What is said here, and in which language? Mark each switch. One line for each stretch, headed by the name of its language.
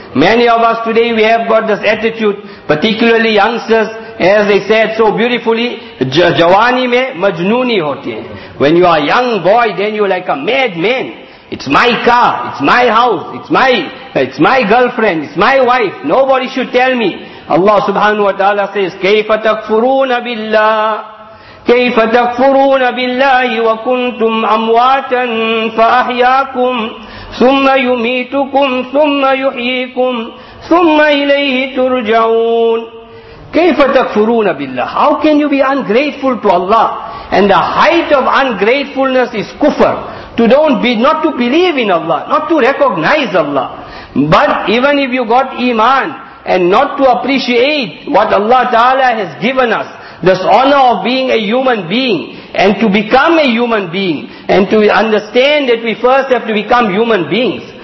English: Many of us today, we have got this attitude, particularly youngsters, as they said so beautifully,
Urdu: jawani mein majnuni hoti hai.
English: When you are a young boy, then you're like a mad man. It's my car, it's my house, it's my girlfriend, it's my wife, nobody should tell me.
Arabic: Allah subhanahu wa ta'ala says, كَيْفَ تَكْفُرُونَ بِاللَّهِ كَيْفَ تَكْفُرُونَ بِاللَّهِ وَكُنْتُمْ أَمْوَاتًا فَأَحْيَاكُمْ ثُمَّ يُمِيتُكُمْ ثُمَّ يُحْيِيكُمْ ثُمَّ إِلَيْهِ تُرْجَعُونَ كَيْفَ تَكْفُرُونَ بِاللَّهِ
English: How can you be ungrateful to Allah? And the height of ungratefulness is kufr. Not to believe in Allah, not to recognize Allah. But even if you got iman and not to appreciate what Allah Ta'ala has given us, this honor of being a human being and to become a human being and to understand that we first have to become human beings.